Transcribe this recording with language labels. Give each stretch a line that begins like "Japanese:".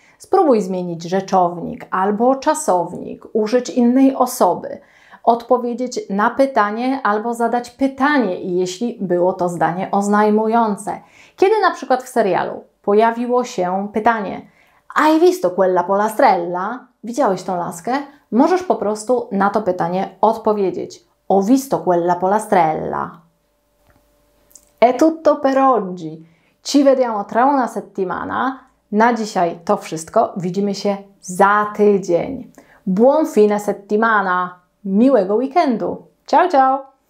Polish: Spróbuj zmienić rzeczownik albo czasownik, użyć innej osoby, odpowiedzieć na pytanie albo zadać pytanie, jeśli było to zdanie oznajmujące. Kiedy na przykład w serialu pojawiło się pytanie:
Italian: Hai visto quella polastrella?
Polish: Widziałeś tą laskę? Możesz po prostu na to pytanie odpowiedzieć.
Italian: Ho visto quella polastrella. È tutto per oggi. Ci vediamo tra una settimana.
Polish: Na dzisiaj to wszystko. Widzimy się za tydzień.
Italian: Buon fine settimana.
Polish: Miłego weekendu. Ciao, ciao.